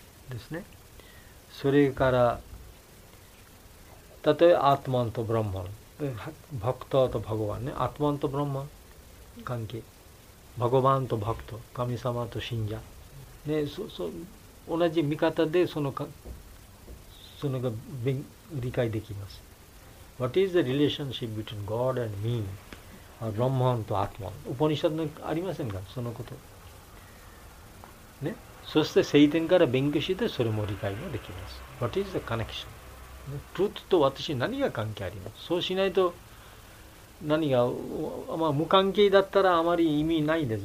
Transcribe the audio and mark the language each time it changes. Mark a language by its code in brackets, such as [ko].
[ja] ですね。それから例えばアトマンとブラッマンバクトとバゴワンね、アトマンとブラッマン関係バゴワンとバクト神様と信者、ね、そ同じ見方でそのかそのが理解できます。 [en] What is the relationship between God and me? [ja] Brahman と Atman。ウポニシャドにありませんか？そのこと。ね。そして聖典から勉強してそれも理解もできます。 [en] What is the connection? [ja] ね。 Truth と私何が関係あります？そうしないと何が、まあ、無関係だったらあまり意味ないです。